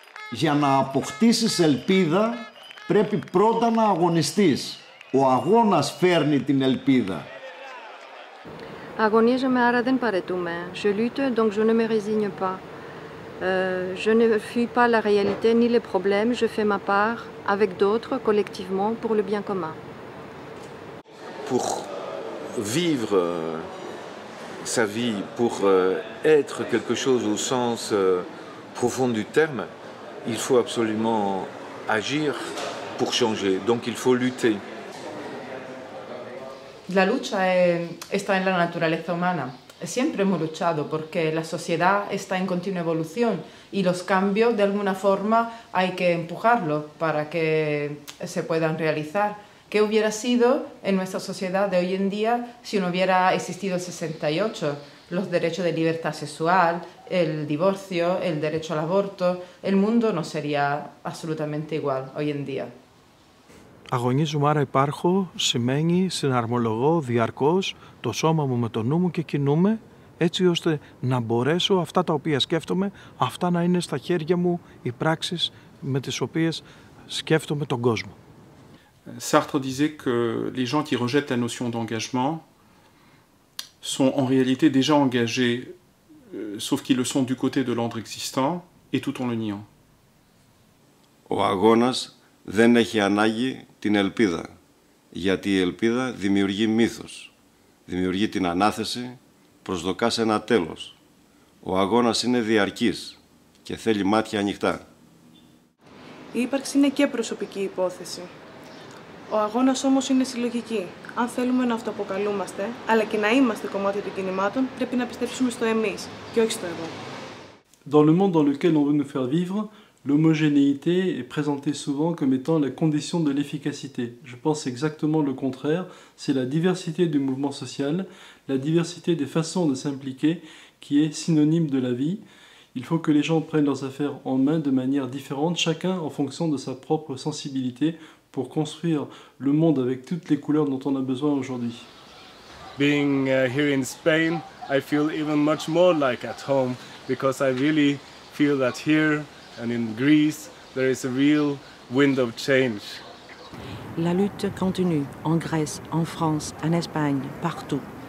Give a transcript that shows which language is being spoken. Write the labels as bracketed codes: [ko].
[el] Για να αποκτήσεις ελπίδα, πρέπει πρώτα να αγωνιστείς. Ο αγώνας φέρνει την ελπίδα. Agonizome, άρα δεν παρετούμε. [fr] Je lutte, donc je ne me résigne pas. Je ne fuis pas la réalité ni les problèmes. Je fais ma part avec d'autres, collectivement, pour le bien commun. Pour vivre sa vie, pour être quelque chose au sens profond du terme, il faut absolument agir pour changer. Donc il faut lutter. [es] La lucha está en la naturaleza humana. Siempre hemos luchado porque la sociedad está en continua evolución y los cambios de alguna forma hay que empujarlos para que se puedan realizar. ¿Qué hubiera sido en nuestra sociedad de hoy en día si no hubiera existido el 68? Los derechos de libertad sexual, el divorcio, el derecho al aborto, el mundo no sería absolutamente igual hoy en día. [el] Αγωνίζομαι, άρα υπάρχω, σημαίνει, συναρμολογώ διαρκώς το σώμα μου με το νου μου και κινούμε έτσι ώστε να μπορέσω αυτά τα οποία σκέφτομαι, αυτά να είναι στα χέρια μου οι πράξεις με τις οποίες σκέφτομαι τον κόσμο. [fr] Sartre disait que les gens qui rejettent la notion d'engagement sont en réalité déjà engagés, sauf qu'ils le sont du côté de l'ordre existant et tout en le niant. [el] Ο αγώνας δεν έχει ανάγκη την ελπίδα, γιατί η ελπίδα δημιουργεί μύθος, δημιουργεί την ανάθεση, προσδοκά σε ένα τέλος. Ο αγώνας είναι διαρκής και θέλει μάτια ανοιχτά. Η ύπαρξη είναι και προσωπική υπόθεση. Ο αγώνας όμως είναι συλλογική. Αν θέλουμε να αυτοαποκαλούμαστε, αλλά και να είμαστε κομμάτι των κινημάτων, πρέπει να πιστέψουμε στο εμείς και όχι στο εγώ. [fr] Dans le monde dans lequel on veut nous faire vivre, L'homogénéité est présentée souvent comme étant la condition de l'efficacité. Je pense exactement le contraire. C'est la diversité du mouvement social, la diversité des façons de s'impliquer qui est synonyme de la vie. Il faut que les gens prennent leurs affaires en main de manière différente, chacun en fonction de sa propre sensibilité, pour construire le monde avec toutes les couleurs dont on a besoin aujourd'hui. [en] Being here in Spain, I feel even much more like at home, because I really feel that here and in Greece, there is a real wind of change. [fr] La lutte continue en Grèce, en France, en Espagne, partout.